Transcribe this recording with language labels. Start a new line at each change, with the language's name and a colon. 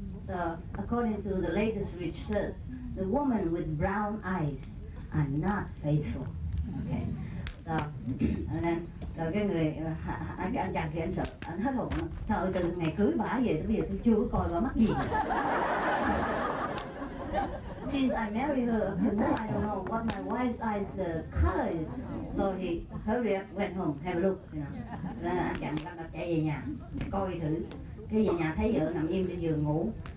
English: So according to the latest research, the woman with brown eyes are not faithful. Okay.
Vietnamese: So rồi cái người anh chàng thì anh sợ, anh hết hồn, trời từ ngày cưới bả về tới bây giờ tôi chưa có coi vào mắt gì.
English: Since I married her, up to now I don't know what my wife's eyes color is. So he hurry up, went home, have a look.
Vietnamese: Nên anh chàng lăn đập chạy về nhà, coi thử. Cái về nhà thấy vợ nằm im trên giường ngủ.